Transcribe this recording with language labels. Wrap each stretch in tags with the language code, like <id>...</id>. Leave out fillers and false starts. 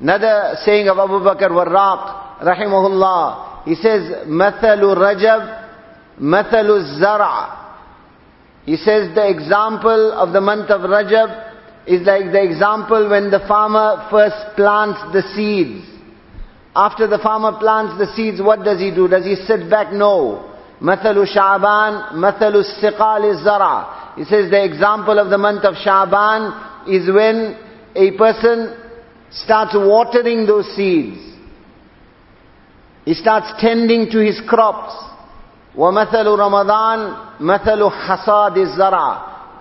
<en>Another saying of Abu Bakr Warraq rahimahullah, he says,</en> <ar>مَثَلُ رَجَب مَثَلُ الزَّرْعَ.</ar> <en>He says, the example of the month of Rajab is like the example when the farmer first plants the seeds. After the farmer plants the seeds, what does he do? Does he sit back? No.</en> <ar>مَثَلُ شَعْبَان مَثَلُ السِّقَالِ الزَّرْعَ.</ar> <en>He says, the example of the month of Sha'ban is when a person starts watering those seeds. He starts tending to his crops.</en> <ar>وَمَثَلُ رَمَضَان مَثَلُ حَصَادِ الزَّرْعَ.</ar>